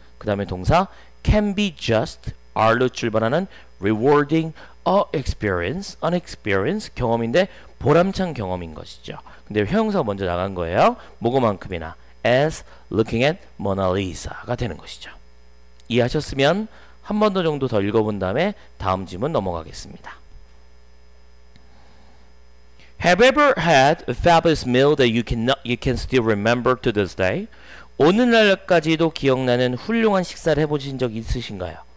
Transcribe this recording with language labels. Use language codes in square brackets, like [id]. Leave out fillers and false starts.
[ko] 그 다음에 동사 can be just. R로 출발하는 [en] rewarding a experience. An experience. [ko] 경험인데 보람찬 경험인 것이죠. 근데 형용사가 먼저 나간 거예요. 뭐고만큼이나. [en] as looking at Mona Lisa [ko] 가 되는 것이죠. 이해하셨으면 한 번 더 정도 더 읽어본 다음에 다음 질문 넘어가겠습니다. [en] Have you ever had a fabulous meal that you can still remember to this day? [ko] 오늘날까지도 기억나는 훌륭한 식사를 해보신 적 있으신가요?